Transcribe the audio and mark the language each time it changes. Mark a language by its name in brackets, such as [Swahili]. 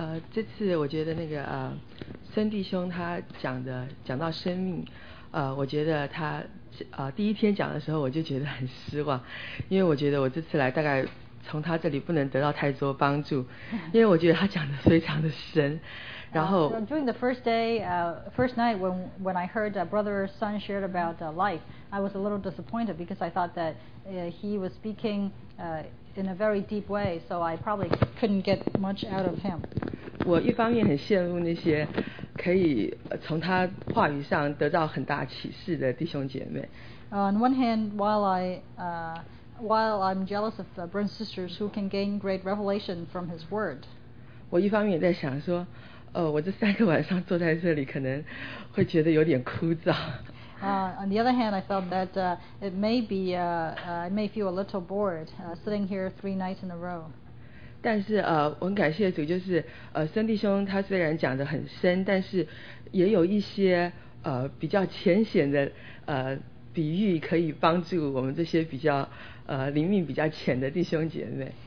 [Chinese] 这次我觉得那个孙弟兄他讲到生命，我觉得他第一天讲的时候我就觉得很失望，因为我觉得我这次来大概从他这里不能得到太多帮助，因为我觉得他讲的非常的深。然后 [English] during the first day, first night when I heard brother's son shared about life, I was a little disappointed because I thought that he was speaking in a very deep way, so I probably couldn't get much out of him. [Chinese] 我一方面很羡慕那些可以从他话语上得到很大启示的弟兄姐妹。 [English] On one hand, while I'm jealous of the brothers and sisters who can gain great revelation from his word. [Chinese] 我一方面也在想说，我这三个晚上坐在这里可能会觉得有点枯燥。 [English] On the other hand, I felt that it may be, I may feel a little bored sitting here three nights in a row. [Chinese] 但是我很感谢主，就是孙弟兄他虽然讲得很深，但是也有一些比较浅显的比喻可以帮助我们这些比较灵命比较浅的弟兄姐妹。